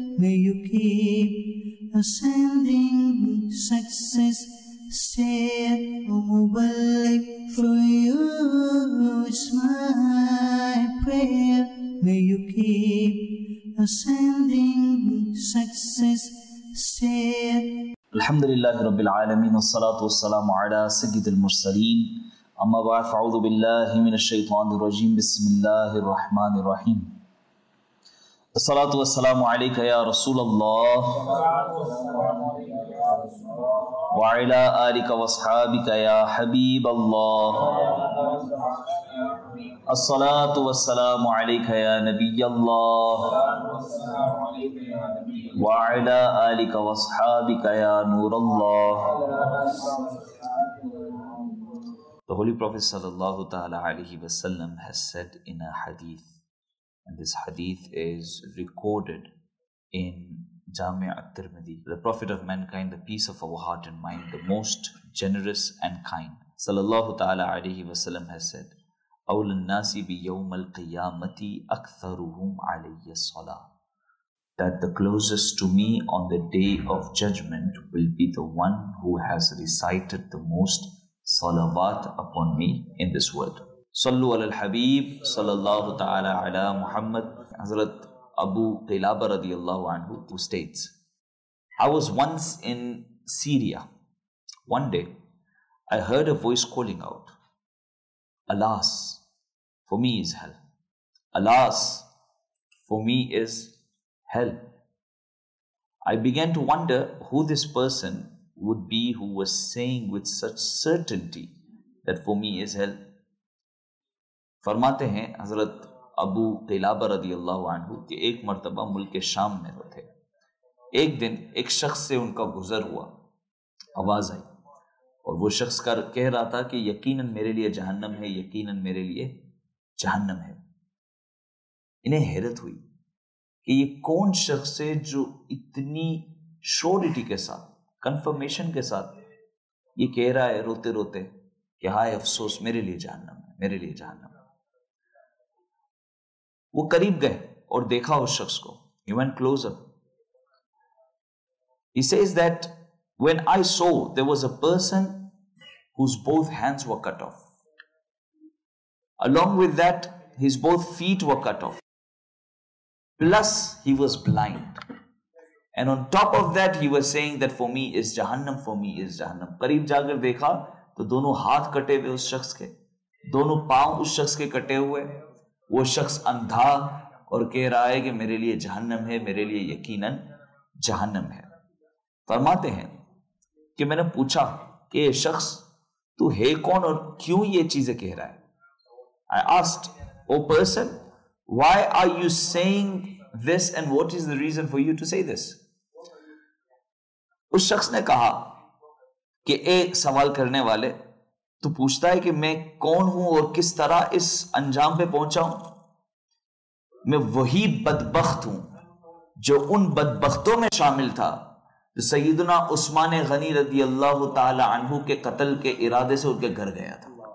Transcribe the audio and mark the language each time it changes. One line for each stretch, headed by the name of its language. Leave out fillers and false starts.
English: May you keep ascending success stair. Mubarak for you, it's my prayer. May you keep ascending success stair.
Arabic: Alhamdulillahi Rabbil Alameen, As-salatu was-salamu ala Sayyidil Mursaleen. أما بعد فأعوذ بالله من الشيطان الرجيم بسم الله الرحمن الرحيم الصلاة والسلام عليك يا رسول الله وعلى آلك وصحابك يا حبيب الله الصلاة والسلام عليك يا نبي الله وعلى آلك وصحابك يا نور الله
English: The Holy Prophet sallallahu ta'ala alayhi wa sallam has said in a hadith, and this hadith is recorded in Jami' al-Tirmidhi. The Prophet of mankind, the peace of our heart and mind, the most generous and kind, sallallahu ta'ala alayhi wa sallam has said,
Arabic: أَوْلَ النَّاسِ بِيَوْمَ الْقِيَامَةِ أَكْثَرُهُمْ عَلَيَّ الصَّلَىٰ
English: That the closest to me on the day of judgment will be the one who has recited the most Salawat upon me in this world.
Arabic: Sallu ala al-Habib, sallallahu ta'ala ala Muhammad.
English: Hazrat Abu Qilaba radiallahu anhu, who states, I was once in Syria. One day, I heard a voice calling out, Alas, for me is hell. Alas, for me is hell. I began to wonder who this person would be who was saying with such certainty that for me is hell.
Urdu: فرماتے ہیں حضرت ابو قلابہ رضی اللہ عنہ کہ ایک مرتبہ ملک شام میں ہوتے ہیں. ایک دن ایک شخص سے ان کا گزر ہوا, آواز آئی اور وہ شخص کا کہہ رہا تھا کہ یقیناً میرے لیے جہنم ہے, یقیناً میرے لیے جہنم ہے. انہیں حیرت ہوئی کہ یہ کون شخص ہے جو اتنی شورٹی کے ساتھ, کنفرمیشن کے ساتھ یہ کہہ رہا ہے روتے روتے کہ ہائے افسوس میرے لیے جہنم ہے, میرے لیے جہنم. وہ قریب گئے اور دیکھا اس شخص کو.
English: He went closer. He says that when I saw there was a person whose both hands were cut off. Along with that, his both feet were cut off. Plus, he was blind. And on top of that, he was saying that for me is Jahannam, for me is Jahannam.
Urdu: قریب جا کر دیکھا تو دونوں ہاتھ کٹے ہوئے اس شخص کے, دونوں پاؤں اس شخص کے کٹے ہوئے. وہ شخص اندھا اور کہہ رہا ہے کہ میرے لیے جہنم ہے, میرے لیے یقیناً جہنم ہے. فرماتے ہیں کہ میں نے پوچھا کہ یہ شخص تو ہے کون اور کیوں یہ چیزیں کہہ رہا ہے.
English: I asked, O person, why are you saying this and what is the reason for you to say this?
Urdu: اس شخص نے کہا کہ اے سوال کرنے والے, تو پوچھتا ہے کہ میں کون ہوں اور کس طرح اس انجام پہ پہنچا ہوں. میں وہی بدبخت ہوں جو ان بدبختوں میں شامل تھا جو سیدنا عثمان غنی رضی اللہ تعالی عنہ کے قتل کے ارادے سے ان کے گھر گیا تھا.